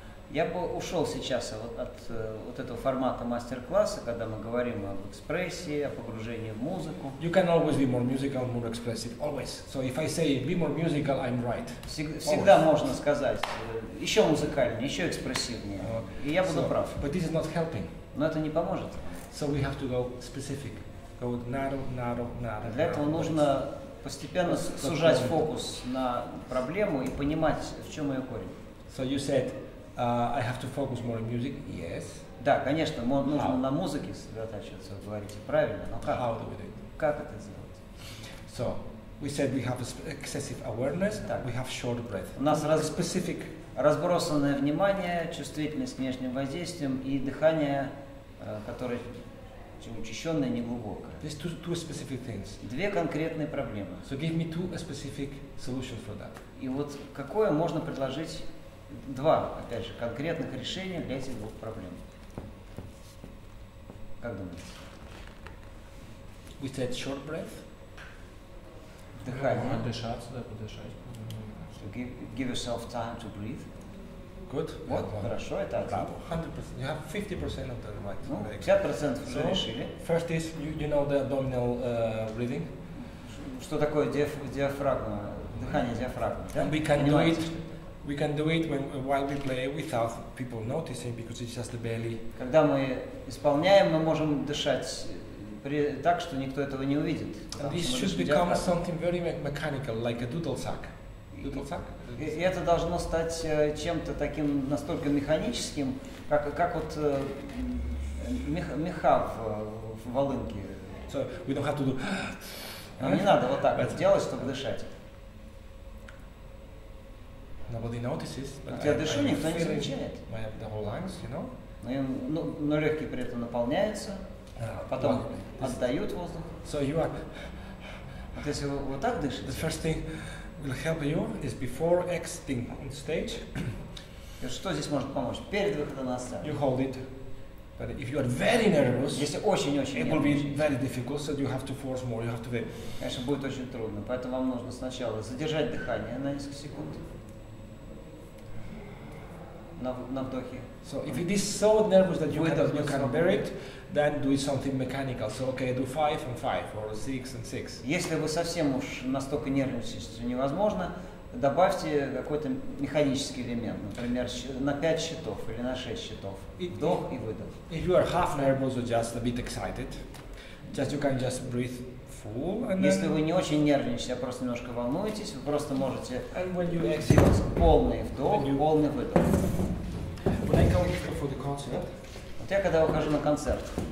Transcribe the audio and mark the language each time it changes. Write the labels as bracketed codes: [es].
[ru] Я бы ушел сейчас от вот этого формата мастер-класса, когда мы говорим об экспрессии, о погружении в музыку. [en] You can always be more musical, more expressive, always. So if I say be more musical, I'm right. [ru] Всегда можно сказать еще музыкальнее, еще экспрессивнее, и я буду прав. [en] But this is not helping. [ru] Но это не поможет. [en] So we have to go specific, go narrow. [ru] Для этого нужно постепенно сужать фокус на проблему и понимать, в чем ее корень. [en] So you said. I have to focus more on music. Yes. [ru] Да, конечно, нужно [en] how? [ru] На музыке сосредотачиваться. Вы говорите правильно, но как? [en] How do we do it? [ru] Как это сделать? [en] So, we said we have excessive awareness. [ru] Так. [en] We have short breath. [ru] У нас [en] specific. [ru] Разбросанное внимание, чувствительность к внешним воздействиям и дыхание, которое учащенное, неглубокое. [en] These two specific things. [ru] Две конкретные проблемы. [en] So give me two specific solutions for that. [ru] И вот какое можно предложить? Два, опять же, конкретных решения для этих двух проблем. Как думаете? [en] We said short breath. [ru] Дыхание. Дышаться, да, подышать. [en] So give yourself time to breathe. Good. [ru] Вот, хорошо, это один. [en] 100%. You have 50% of the right. [ru] Ну, 50% уже решили. [en] First is, you know the abdominal breathing. [ru] Что такое диафрагма? Дыхание диафрагмы, да? [en] And we can do it. We can do it while we play without people noticing because it's just the belly. [ru] Когда мы исполняем, мы можем дышать так, что никто этого не увидит. [en] This should become something very mechanical, like a doodle-sack. Doodle-sack? [ru] И это должно стать чем-то таким настолько механическим, как вот меха в волынке. [en] So we don't have to do. [ru] Нам не надо вот так вот делать, чтобы дышать. [en] Nobody notices, but [ru] я дышу, никто не замечает. [en] My the whole lungs, you know? [ru] Но легкие при этом наполняются, потом отдают воздух. [en] So you are. [ru] Если вы вот так дышите. [en] The first thing will help you is before exiting on stage. [ru] Что здесь может помочь? Перед выходом на сцену. [en] You hold it. But if you are very nervous, [ru] если очень-очень [en] it will be very difficult, so you have to force more, you have to be. [ru] Конечно, будет очень трудно, поэтому вам нужно сначала задержать дыхание на несколько секунд. На вдохе. [en] So if it is so nervous that you can bear it, then do something mechanical. So okay, do 5 and 5 or 6 and 6. [ru] Если вы совсем уж настолько нервничаете, что невозможно, добавьте какой-то механический элемент, например, на 5 счетов или на 6 счетов. Вдох и выдох. If you are half nervous or just a bit excited, just you can just breathe. Если вы не очень нервничаете, а просто немножко волнуетесь, вы просто можете сделать полный вдох, полный выдох. Вот я когда выхожу на концерт.